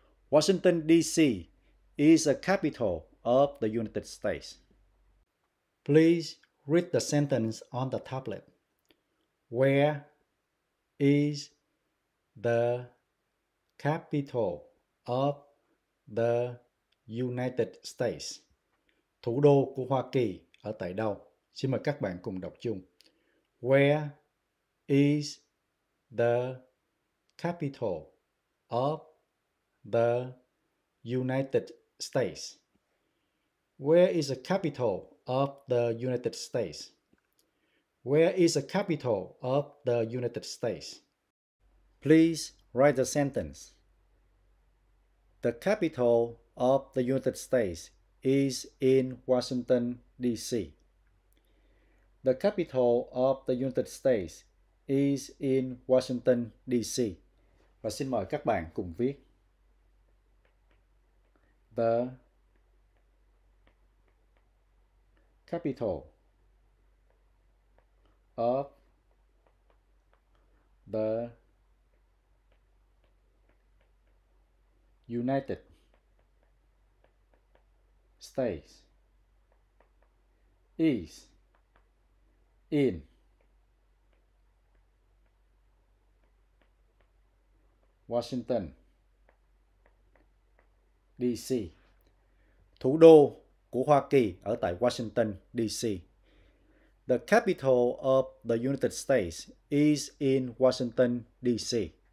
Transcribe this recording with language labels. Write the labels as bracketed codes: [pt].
[en] Washington, D.C. is the capital of the United States. Please read the sentence on the tablet. Where is the capital of the United States? [vi] Thủ đô của Hoa Kỳ ở tại đâu? Xin mời các bạn cùng đọc chung. [en] Where is the capital of the United States? Where is the capital of the United States? Where is the capital of the United States? Please write the sentence. The capital of the United States is in Washington, D.C. The capital of the United States is in Washington, D.C. [vi] Và xin mời các bạn cùng viết. [en] The capital of the United States is in Washington, D.C. [vi] Thủ đô của Hoa Kỳ ở tại Washington, D.C. [en] The capital of the United States is in Washington, D.C.